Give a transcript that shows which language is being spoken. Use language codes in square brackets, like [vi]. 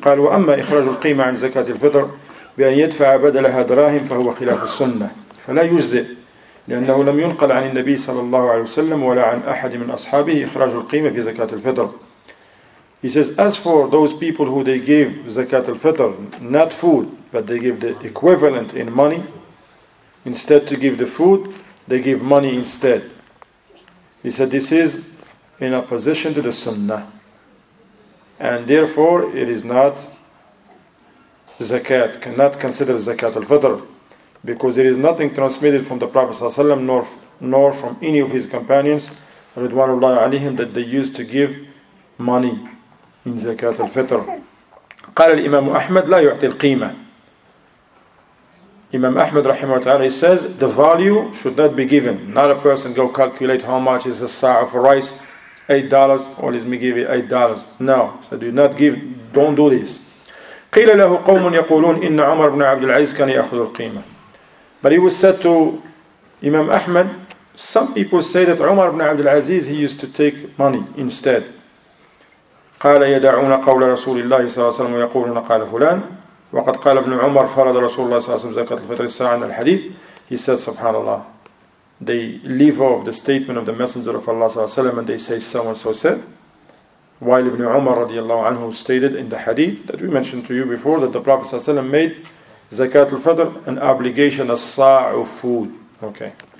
[ar] قال وأما إخراج القيمة عن زكاة الفطر بأن يدفع بدلها دراهم فهو خلاف السنة فلا يجزئ لأنه لم ينقل عن النبي صلى الله عليه وسلم ولا عن أحد من أصحابه إخراج القيمة في زكاة الفطر. [en] He says, as for those people who they gave زكاة الفطر, not food, but they gave the equivalent in money, instead to give the food, they gave money instead. He said, this is in opposition to the sunnah. And therefore, it is not zakat, cannot consider zakat al-fitr, because there is nothing transmitted from the Prophet ﷺ nor from any of his companions, ridwanullah alayhim, that they used to give money in zakat al-fitr. [ar] قال الإمام أحمد لا يعطي القيمة. [en] Imam Ahmad rahimahu ta'ala, he says the value should not be given. Not a person go calculate how much is a sa' of rice. $8, or let me give you $8. No, so do not give, don't do this. [ar] قيل له قوم يقولون إن عمر بن عبد العزيز كان يأخذ القيمة. [en] But he was said to Imam Ahmad, some people say that عمر بن عبد العزيز, he used to take money instead. [ar] قال يدعون قول رسول الله صلى الله عليه وسلم ويقولون قال فلان وقد قال ابن عمر فرض رسول الله صلى الله عليه وسلم زكاة الفطر الساعة عن الحديث. [en] He said, [ar] سبحان الله. [en] They leave off the statement of the Messenger of Allah sallallahu alaihi wasallam, and they say so and so said. While Ibn Umar radiallahu anhu stated in the hadith that we mentioned to you before that the Prophet sallallahu alaihi wasallam made zakat al-fitr an obligation, a sa' of food. Okay.